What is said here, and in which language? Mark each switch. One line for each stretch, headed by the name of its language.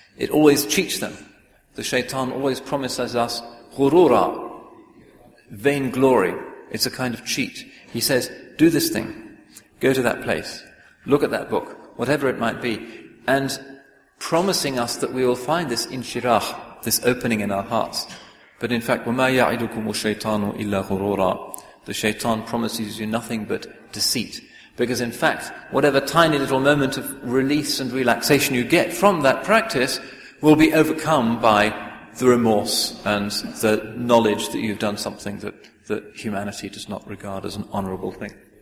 English: It always cheats them. The shaitan always promises us ghurura, vainglory. It's a kind of cheat. He says, do this thing, go to that place, look at that book, whatever it might be, and promising us that we will find this inshirah, this opening in our hearts. But in fact,
Arabic: وَمَا يَعِدُكُمُ الشَّيْطَانُ إِلَّا غُرُورًا.
English: The shaitan promises you nothing but deceit. Because in fact, whatever tiny little moment of release and relaxation you get from that practice will be overcome by the remorse and the knowledge that you've done something that humanity does not regard as an honorable thing.